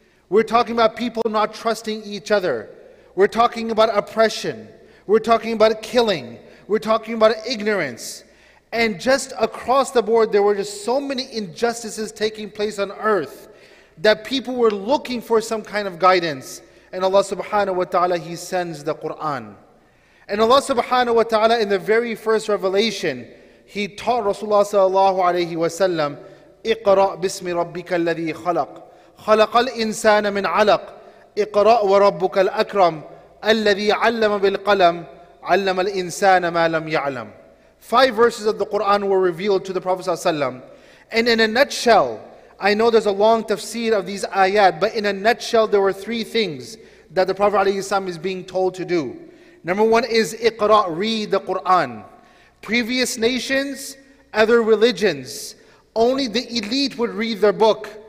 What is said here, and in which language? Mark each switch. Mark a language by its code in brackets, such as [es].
[en] We're talking about people not trusting each other. We're talking about oppression. We're talking about killing. We're talking about ignorance. And just across the board, there were just so many injustices taking place on earth that people were looking for some kind of guidance. And Allah subhanahu wa ta'ala, He sends the Qur'an. And Allah subhanahu wa ta'ala, in the very first revelation, He taught Rasulullah sallallahu alayhi wa sallam, [ar] اقرأ باسم ربك الذي خلق خلق الإنسان من علق اقرأ وربك الأكرم الذي علم بالقلم علم الإنسان ما لم يعلم. [en] Five verses of the Quran were revealed to the Prophet ﷺ. And in a nutshell, I know there's a long tafsir of these ayat, but in a nutshell, there were three things that the Prophet ﷺ is being told to do. Number one is اقرأ, read the Quran. Previous nations, other religions, only the elite would read their book.